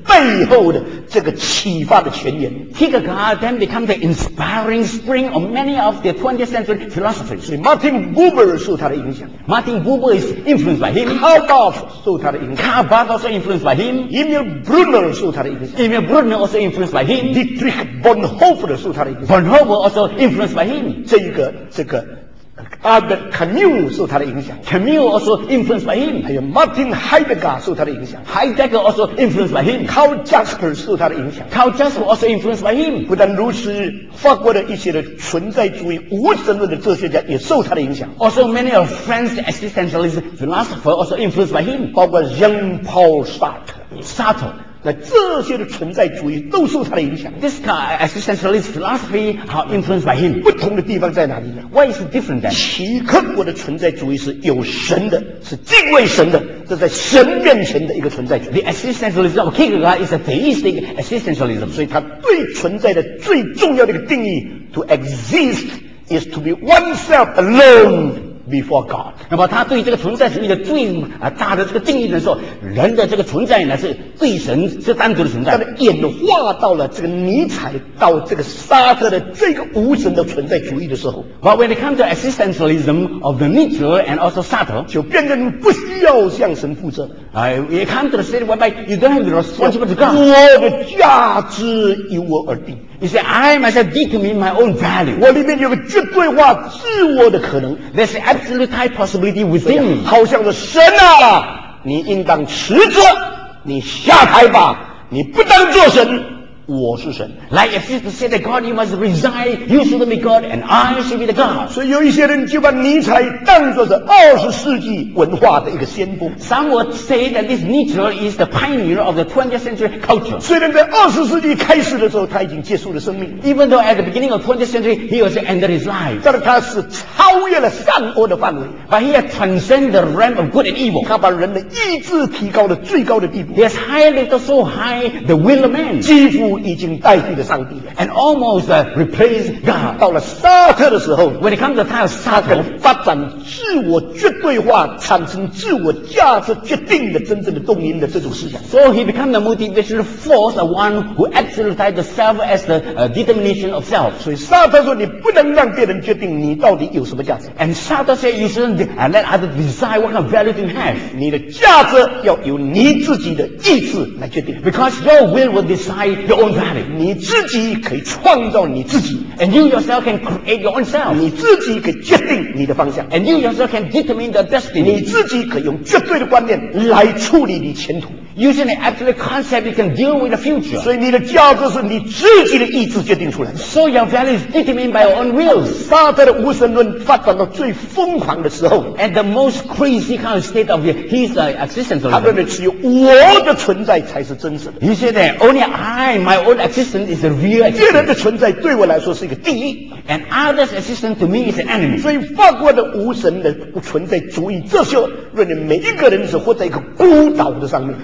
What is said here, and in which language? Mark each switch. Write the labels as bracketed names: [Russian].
[Chinese] 背后的这个启发的泉源 [English] Kierkegaard then become the inspiring spring of many of the 20th century philosophers [Chinese] 所以 Martin Buber 受他的影响 [English] Martin Buber is influenced by him [Chinese] Karl Barth 受他的影响 [English] Karl Barth also influenced by him [Chinese] Emil Brunner 受他的影响 [English] Emil Brunner also influenced by him [Chinese] Dietrich Bonhoeffer 受他的影响 [English] Bonhoeffer also influenced by him [Chinese] 这个Albert Camus 受他的影响 [English] Camus also influenced by him [Chinese] 还有 Martin Heidegger 受他的影响 [English] Heidegger also influenced by him [Chinese] Karl Jasper 受他的影响 [English] Karl Jasper also influenced by him [Chinese] 不但如此法国的一些的存在主义无神论的哲学家也受他的影响 [English] Also many of French existentialist philosophers also influenced by him [Chinese] 包括 Jean-Paul Sartre [English] Sartre [Chinese] 那这些的存在主义都受他的影响。 [English] This kind of existentialist philosophy are influenced by him. [Chinese] 不同的地方在哪里呢 [English] ？Why is it different then? [Chinese] 齐克国的存在主义是有神的，是敬畏神的，这在神面前的一个存在主义。 [English] The existentialism of Kierkegaard is a theistic existentialism. [Chinese] 所以他对存在的最重要的一个定义 ， [English] to exist is to be oneself alone. before God. [Chinese] 那么他对这个存在主义的最大的这个定义呢，说人的这个存在呢是对神是单独的存在。他的演化到了这个尼采到这个沙特的这个无神的存在主义的时候 [English] ，But when it comes to existentialism of the Nietzsche and also Sartre, [Chinese] 就变成不需要向神负责。 [English] It comes to the state whereby you don't have responsibility to God. [Chinese] 我的价值由我而定。 [English] You say, I myself determine my own value. [Chinese] 我里面有个绝对化自我的可能。 [English] There's an absolute high possibility within me. [Chinese] 好像是神啊，你应当辞职，你下台吧，你不当做神，我是神。 [English] Like if you say that God, you must resign, you should be God, and I should be the God. [Chinese] 所以有一些人就把尼采当作是二十世纪文化的一个先锋。 [English] Some would say that this Nietzsche is the pioneer of the 20th century culture. [Chinese] 虽然在二十世纪开始的时候他已经结束了生命。 [English] Even though at the beginning of 20th century, he also ended his life. [Chinese] 但是他是超越了善恶的范围。 [English] But he had transcended the realm of good and evil. [Chinese] 他把人的意志提高了最高的地步。 [English] He has highlighted so high the will of man. [Chinese] 几乎已经代替了上帝了 [English] ，and almost replaced God。 [Chinese] 到了沙特的时候 [English] ，when it comes to time， [Chinese] 沙特发展自我绝对化，产生自我价值决定的真正的动因的这种思想。 [English] So he became the motivational force of one who absolutized the self as the determination of self。 [Chinese] 所以沙特说：“你不能让别人决定你到底有什么价值。 [English] ”And Sartre said, "You shouldn't let others decide what kind of value you have." [Chinese] 你的价值要由你自己的意志来决定 [English] ，because your will will decide。 Your own value. [Chinese] 你自己可以创造你自己 [English] ，and you yourself can create your own self. [Chinese] 你自己可以决定你的方向 [English] ，and you yourself can determine the destiny. [Chinese] 你自己可以用绝对的观念来处理你前途 [English] ，using an absolute concept, you can deal with the future. [Chinese] 所以你的价值是你自己的意志决定出来的 [English] ，so your value is determined by your own wills. [Chinese] 沙特的无神论发展到最疯狂的时候 [English] ，at the most crazy kind of state of his existence. [Chinese] 他认为只有我的存在才是真实的 [English] ，he said that only I. My own existence is a real existence. [Chinese] 别人的存在对我来说是一个敌意 [English] And others' existence to me is an enemy. [Chinese] 所以法国的无神的存在主义这些认为每一个人是活在一个孤岛的上面